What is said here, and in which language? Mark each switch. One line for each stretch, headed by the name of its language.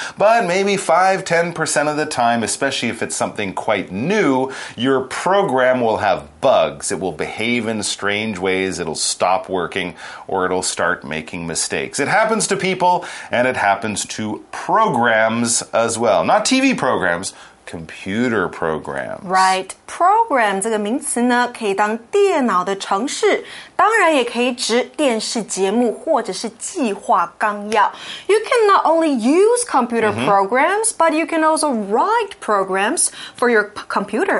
English: But maybe 5-10% of the time, especially if it's something quite new, your program will have bugs. It will behave in strange ways. It'll stop working or it'll start making mistakes. It happens to people and it happens to programs as well. Not TV programs, computer programs. Right.
Chinese: Program 这个名词呢可以当电脑的程式，当然也可以指电视节目或者是计划纲要。
English: You can not only use computer、mm-hmm. programs, but you can also write programs for your computer.